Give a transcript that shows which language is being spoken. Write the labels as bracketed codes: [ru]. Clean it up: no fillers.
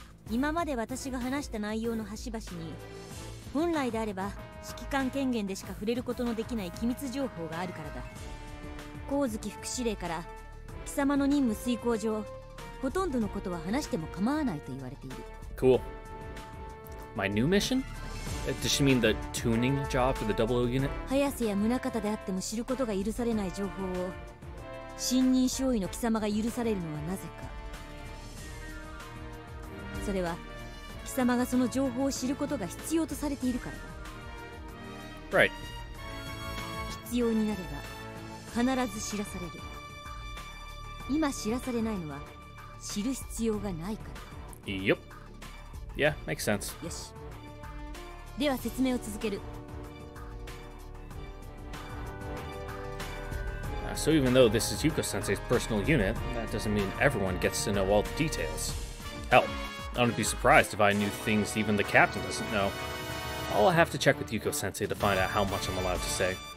[ja] 今まで私が話した内容の端々に、本来であれば指揮官権限でしか触れることのできない機密情報があるからだ。光月副司令から貴様の任務遂行上、ほとんどのことは話しても構わないと言われている。 [en] Cool. My new mission? Does she mean the tuning job for the 00 unit? [ja] 早瀬や宗像であっても知ることが許されない情報を、新任少尉の貴様が許されるのはなぜか。それは貴様がその情報を知ることが必要とされているからだ。 [en] Right. [ja] 必要になれば必ず知らされる。今知らされないのは知る必要がないから。 [en] Yep. Yeah, makes sense. [ja] よし、では説明を続ける。 [en] So even though this is Yuko-sensei's personal unit, that doesn't mean everyone gets to know all the details. Help. I wouldn't be surprised if I knew things even the captain doesn't know. I'll have to check with Yuko-sensei to find out how much I'm allowed to say.